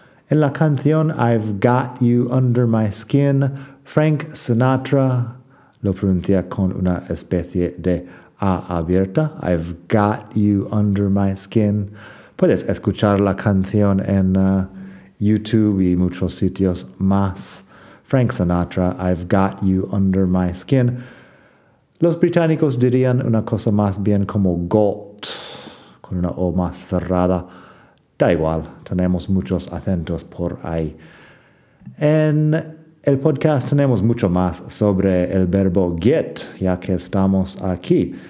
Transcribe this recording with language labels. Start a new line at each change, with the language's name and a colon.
Spanish: En la canción I've Got You Under My Skin, Frank Sinatra lo pronuncia con una especie de A abierta.
English: I've got you under my skin.
Spanish: Puedes escuchar la canción en YouTube y muchos sitios más.
English: Frank Sinatra, I've got you under my skin.
Spanish: Los británicos dirían una cosa más bien como got, con una O más cerrada. Da igual, tenemos muchos acentos por ahí. En el podcast tenemos mucho más sobre el verbo get, ya que estamos aquí.